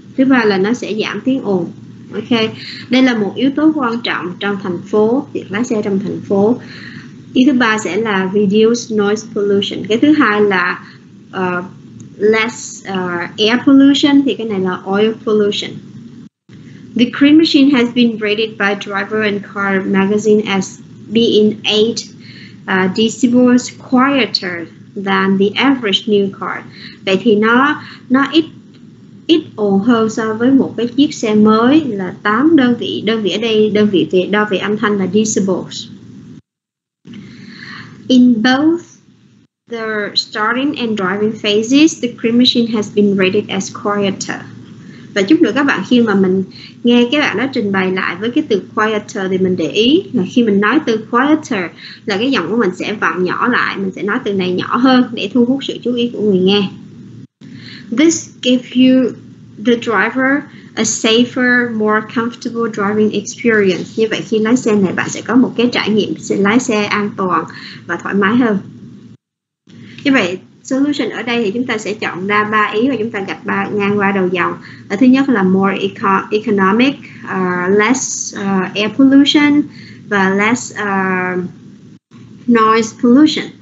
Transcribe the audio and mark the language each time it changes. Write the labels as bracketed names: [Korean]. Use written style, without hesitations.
[Vietnamese] Thứ ba là nó sẽ giảm tiếng ồn. Ok, đây là một yếu tố quan trọng trong thành phố, việc lái xe trong thành phố. Ý thứ ba sẽ là [English] reduce noise pollution. [Vietnamese] Cái thứ hai là [English] less air pollution, [Vietnamese] thì cái này là [English] oil pollution. The green machine has been rated by Driver and Car magazine as being 8 decibels quieter than the average new car. [Vietnamese] Vậy thì nó ít ít ồn hơn so với một cái chiếc xe mới là 8 đơn vị. Đơn vị ở đây, đơn vị về đo về âm thanh là decibels. [English] In both the starting and driving phases, the green machine has been rated as quieter. [Vietnamese] Và chút nữa các bạn khi mà mình nghe các bạn đã trình bày lại với cái từ quieter thì mình để ý là khi mình nói từ quieter là cái giọng của mình sẽ vặn nhỏ lại, mình sẽ nói từ này nhỏ hơn để thu hút sự chú ý của người nghe. [English] This gives you, the driver, a safer, more comfortable driving experience. [Vietnamese] Như vậy khi lái xe này bạn sẽ có một cái trải nghiệm sẽ lái xe an toàn và thoải mái hơn. Như vậy solution ở đây thì chúng ta sẽ chọn ra ba ý và chúng ta gạch ba ngang qua đầu dòng. Thứ nhất là [English] more economic, less air pollution và less noise pollution.